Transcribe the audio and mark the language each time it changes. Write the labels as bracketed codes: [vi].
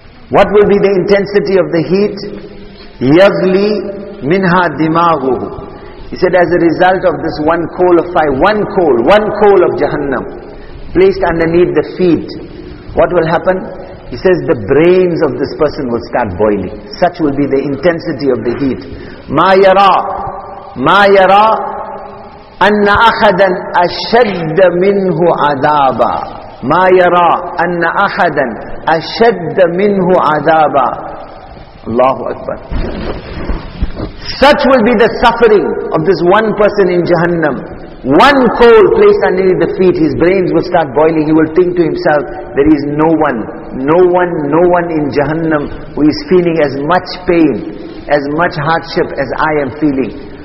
[en] What will be the intensity of the heat? [ar] Yagli minha dimaghuhu. [en] He said as a result of this one coal of fire, one coal of Jahannam placed underneath the feet, what will happen? He says the brains of this person will start boiling. Such will be the intensity of the heat. [ar] Ma yara. مَا يَرَى أَنَّ أَحَدًا أَشَدَّ مِنْهُ عَذَابًا. مَا يَرَى أَنَّ أَحَدًا أَشَدَّ مِنْهُ عَذَابًا. Allahu Akbar. [en] Such will be the suffering of this one person in Jahannam. One coal placed underneath the feet, his brains will start boiling. He will think to himself, there is no one in Jahannam who is feeling as much pain, as much hardship as I am feeling.